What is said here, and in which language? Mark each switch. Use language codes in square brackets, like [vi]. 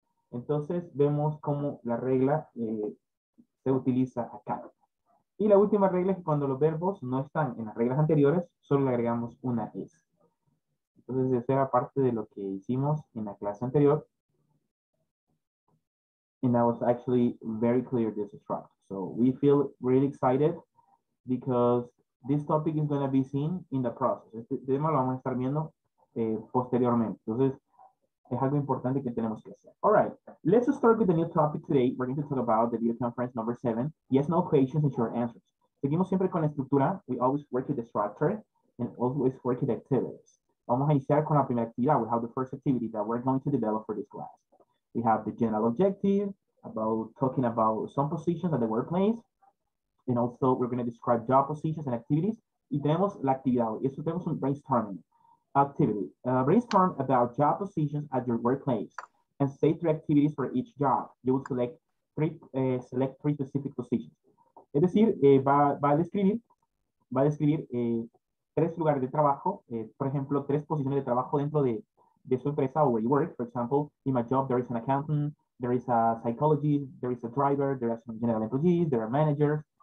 [es] Entonces vemos cómo la regla se utiliza acá. Y la última regla es que cuando los verbos no están en las reglas anteriores, solo le agregamos una S. Entonces, esa era parte de lo que hicimos en la clase anterior. [en] And that was actually very clear this instructor. So we feel really excited because this topic is going to be seen in the process. [es] Este tema lo vamos a estar viendo posteriormente. Entonces, es algo importante que tenemos que hacer. [en] All right, let's start with the new topic today. We're going to talk about the video conference number 7. Yes, no questions and short answers. [es] Seguimos siempre con la estructura. [en] We always work with the structure and always work with activities. [es] Vamos a iniciar con la primera actividad. [en] We have the first activity that we're going to develop for this class. We have the general objective about talking about some positions at the workplace. And also we're going to describe job positions and activities. [es] Y tenemos la actividad. Eso tenemos un [en] brainstorming activity. Brainstorm about job positions at your workplace and say 3 activities for each job. You will select three specific positions. [es] Es decir, va a describir 3 lugares de trabajo. Por ejemplo, 3 posiciones de trabajo dentro de su empresa o [en] where you work. For example, in my job, there is an accountant, there is a psychologist, there is a driver, there are some general employees, there are managers.